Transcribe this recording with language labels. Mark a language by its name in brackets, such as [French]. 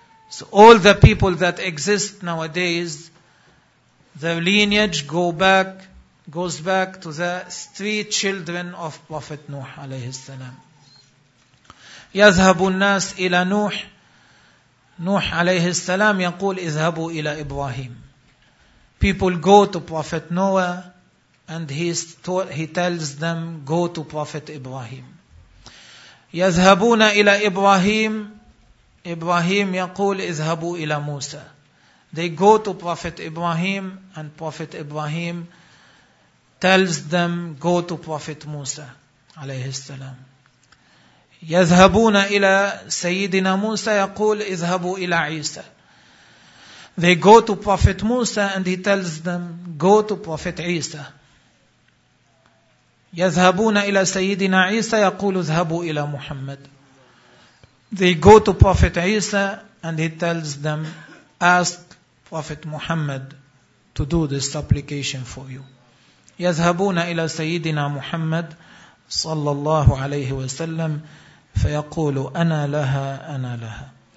[English] So all the people that exist nowadays, their lineage goes back to the three children of Prophet Nuh alayhi salam. [Arabic] يذهب الناس إلى نوح. نوح عليه السلام يقول اذهبوا إلى إبراهيم. [English] People go to Prophet Noah and he tells them go to Prophet Ibrahim. [Arabic] يذهبون إلى إبراهيم. Ibrahim يقول اذهبوا إلى موسى. [English] They go to Prophet Ibrahim and Prophet Ibrahim tells them go to Prophet Musa [Arabic] عليه السلام. يذهبون إلى سيدنا موسى يقول اذهبوا إلى عيسى. [English] They go to Prophet Musa and he tells them go to Prophet عيسى. [Arabic] يذهبون إلى سيدنا عيسى يقول اذهبوا إلى محمد. [English] They go to Prophet Isa and he tells them, ask Prophet Muhammad to do this supplication for you. [Arabic] يذهبون إلى سيدنا محمد صلى الله عليه وسلم فيقول أنا لها أنا لها.